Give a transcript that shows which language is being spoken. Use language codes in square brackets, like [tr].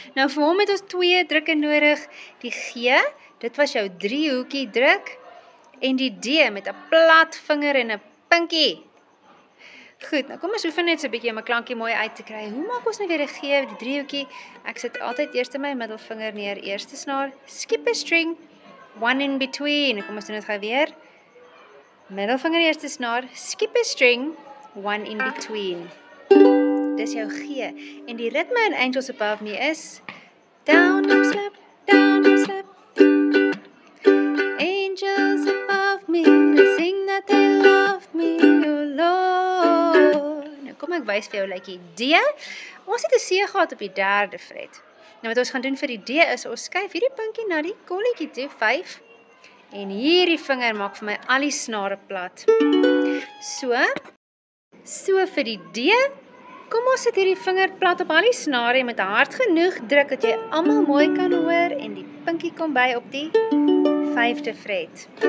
[af] Nou, voor hom het ons twee drukke nodig. Die G, dit was jou driehoekie druk. En die D met een plat vinger en een pinkie. Goed, nou kom ons oefen net so'n bietjie om 'n klankie mooi uit te kry. Hoe maak ons nou weer 'n G, die driehoekie? Ek sit altyd eers in my middelvinger neer, eerste snaar. [en] Skip a string, one in between. [af] Kom ons doen dit gou weer. Middelvinger eerste snaar, [en] skip a string, one in between. [af] Dis jou G. En die ritme in Angels Above Me is [en] down, up, slap, down, up, slap. Angels above me, sing that they love me, oh Lord. [af] Nou kom ek wys vir jou likeie D. Ons het 'n C gehad op die derde fret. Nou wat ons gaan doen vir die D is, ons skuif hierdie pinkie na die kolletjie toe, 5. En hierdie vinger maak vir my al die snare plat. So vir die D, kom ons sit hierdie vinger plat op al die snare en met hard genoeg druk dat jy almal mooi kan hoor en die pinkie kom by op die 5de fret.